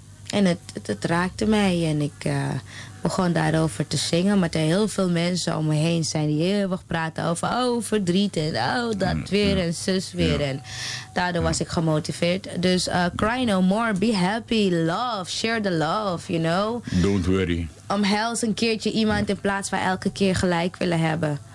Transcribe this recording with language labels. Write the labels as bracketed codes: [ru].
[nl] En het raakte mij. En ik begon daarover te zingen. Maar er heel veel mensen om me heen zijn die eeuwig praten over... Oh, verdriet en oh, dat weer en zus weer. Ja. En daardoor was ik gemotiveerd. Dus [en] cry no more, be happy, love, share the love, you know. Don't worry. [nl] Omhels een keertje iemand in plaats van elke keer gelijk willen hebben.